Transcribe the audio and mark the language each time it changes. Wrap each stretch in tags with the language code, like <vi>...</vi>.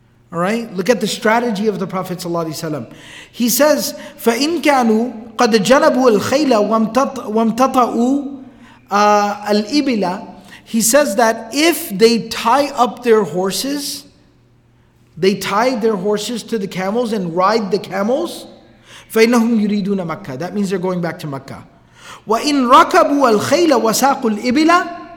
<en>All right, look at the strategy of the Prophet ﷺ. He says,</en> <ar>"فَإِنْ كَانُوا قَدْ جَلَبُوا الْخَيْلَ وَامْتَطَأُوا الْإِبِلَ."</ar> <en>He says that if they tie up their horses, they tie their horses to the camels and ride the camels.</en> <ar>فَإِنَّهُمْ يُرِيدُونَ مَكَّةَ.</ar> <en>That means they're going back to Mecca.</en> <ar>وَإِنْ رَكَبُوا الْخَيْلَ وَسَاقُوا الْإِبِلَ.</ar>